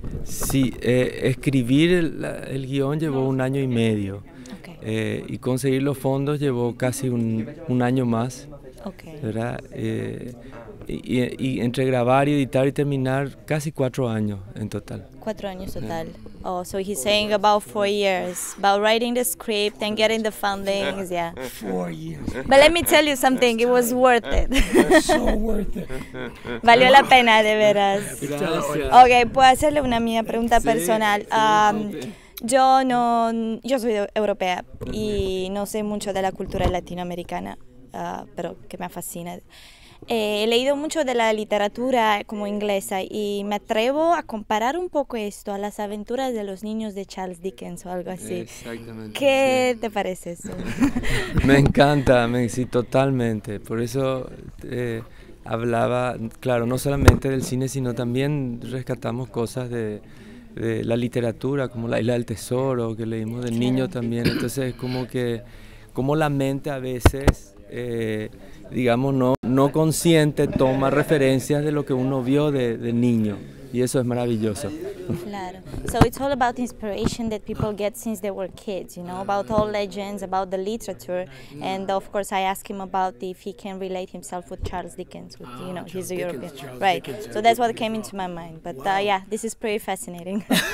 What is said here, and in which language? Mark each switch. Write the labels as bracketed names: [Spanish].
[Spanish] Sí, escribir el guión llevó un año y medio, [English] okay. [Spanish] Y conseguir los fondos llevó casi un año más, [English] okay. [Spanish] ¿Verdad? Y entre grabar, editar y terminar, casi 4 años en total. 4 años total. [English] Oh, so he's saying about 4 years, about writing the script and getting the fundings, yeah. 4 years. But let me tell you something, it was worth it. So worth it. [Spanish] Valió la pena, de veras. Gracias. Okay, puedo hacerle una mía pregunta personal. Yo soy europea y no sé mucho de la cultura latinoamericana, pero que me fascina. He leído mucho de la literatura como inglesa y me atrevo a comparar un poco esto a las aventuras de los niños de Charles Dickens o algo así. Exactamente. ¿Qué te parece eso? Me encanta, sí, totalmente. Por eso hablaba, claro, no solamente del cine, sino también rescatamos cosas de la literatura, como La Isla del Tesoro, que leímos del niño también. Entonces es como que, como la mente a veces... digamos, no consciente toma referencias de lo que uno vio de niño, y eso es maravilloso. Claro. [English] So it's all about inspiration that people get since they were kids, you know, about all legends, about the literature, and of course I asked him about if he can relate himself with Charles Dickens, with, you know, Charles, he's a European. Dickens, right. Dickens, so that's what came into my mind, but wow. Yeah, this is pretty fascinating.